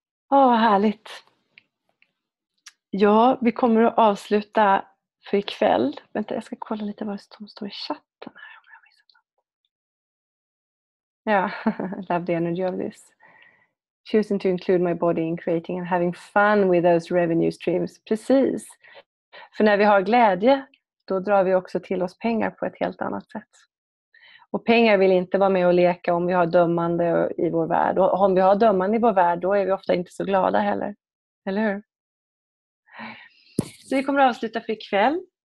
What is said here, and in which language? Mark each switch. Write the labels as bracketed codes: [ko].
[sv] Åh, oh, härligt. Ja, vi kommer att avsluta för ikväll. Vänta, jag ska kolla lite vad som står i chatten här. [en] Ja, love the energy of this. Choosing to include my body in creating and having fun with those revenue streams. [sv] Precis. För när vi har glädje, då drar vi också till oss pengar på ett helt annat sätt. Och pengar vill inte vara med och leka om vi har dömande i vår värld. Och om vi har dömande i vår värld, då är vi ofta inte så glada heller. Eller hur? Så vi kommer att avsluta för ikväll.